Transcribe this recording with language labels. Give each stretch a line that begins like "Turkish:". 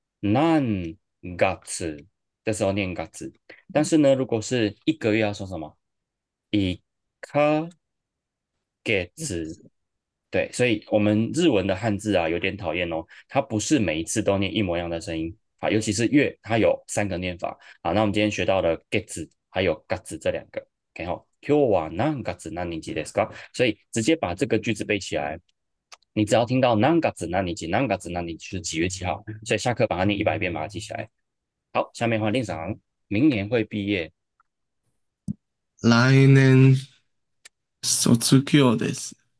Chinese: 何月这时候念月，但是呢，如果是一个月要说什么？一ヶ月，对，所以我们日文的汉字啊有点讨厌哦，它不是每一次都念一模一样的声音啊，尤其是月，它有三个念法啊。那我们今天学到了月还有嘎子这两个，OK 好，
Japanese: 今日は何月何日ですか？
Chinese: 所以直接把这个句子背起来。你只要听到何月何日、何月何日是几月几号，所以下课把它念100遍，把它记起来。好，下面换令赏，明年会毕业。
Japanese: 来年卒業です。